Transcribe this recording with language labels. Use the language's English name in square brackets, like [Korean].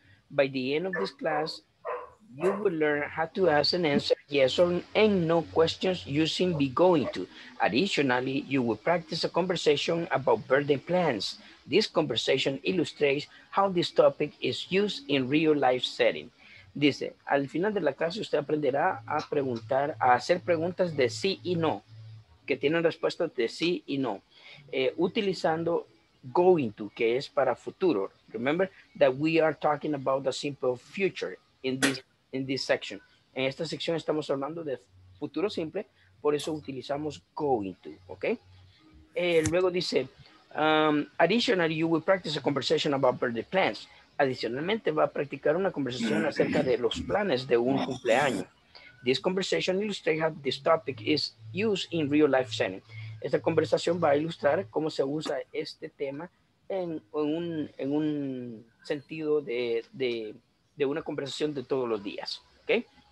[English] By the end of this class, you will learn how to ask and answer yes or and no questions using be going to. Additionally, you will practice a conversation about birthday plans. This conversation illustrates how this topic is used in real life setting. [Spanish] Dice, al final de la clase usted aprenderá a preguntar, a hacer preguntas de sí y no, que tienen respuestas de sí y no, utilizando going to, que es para futuro. [English] Remember that we are talking about the simple future in this section. [Spanish] En esta sección estamos hablando de futuro simple, por eso utilizamos going to, okay? Luego dice, [English] additionally, you will practice a conversation about birthday plans. [Spanish] Adicionalmente, va a practicar una conversación acerca de los planes de un cumpleaños. [English] This conversation illustrates how this topic is used in real life setting. [Spanish] Esta conversación va a ilustrar cómo se usa este tema en un sentido de una conversación de todos los días, okay?